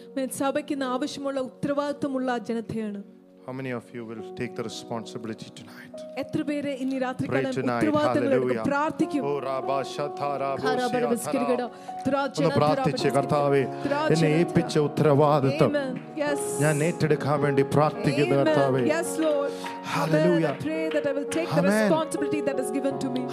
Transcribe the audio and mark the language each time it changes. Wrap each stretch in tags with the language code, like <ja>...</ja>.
<ml>മൻ സഭയ്ക്കിന് ആവശ്യമുള്ള ഉത്തരവാദിത്വമുള്ള ജനതയാണ്.</ml> <en>How many of you will take the responsibility tonight?</en> <ml>എത്ര പേരെ ഇന്ന് രാത്രികാലം ഉത്തരവാദിത്തങ്ങളെടുത്ത് പ്രാർത്ഥിക്കും? ഓ രാബാ ശതാരാ ബോസിയാ പ്രാർത്ഥിച്ച് കർത്താവേ എന്നെ ഏൽപ്പിച്ച ഉത്തരവാദിത്തം ഞാൻ ഏറ്റെടുക്കാൻ വേണ്ടി പ്രാർത്ഥിക്കുന്നു കർത്താവേ.</ml> <en>Yes Lord. Hallelujah. I pray that I will take the responsibility that is given to me.</en>